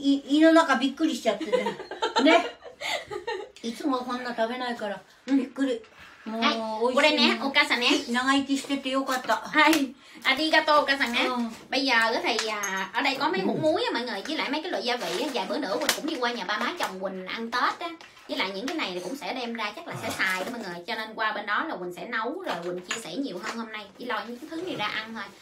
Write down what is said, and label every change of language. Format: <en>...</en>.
<vi>Chưa, nó nó cả bị cười chết rồi. Nè, ít mà con nó ăn không được, bị cười.</vi> <ja>これね、お母さんね。長生きしててよかった。はい。ありがとう、お母さんね。</ja> <vi>Bây giờ thì ở đây có mấy hũ muối á mọi người, với lại mấy cái loại gia vị á, vài bữa nữa Quỳnh cũng đi qua nhà ba má chồng Quỳnh ăn Tết á. Với lại những cái này thì cũng sẽ đem ra chắc là sẽ xài đó mọi người, cho nên qua bên đó là Quỳnh sẽ nấu rồi Quỳnh chia sẻ nhiều hơn hôm nay, chỉ lo những cái thứ này ra ăn thôi.</vi>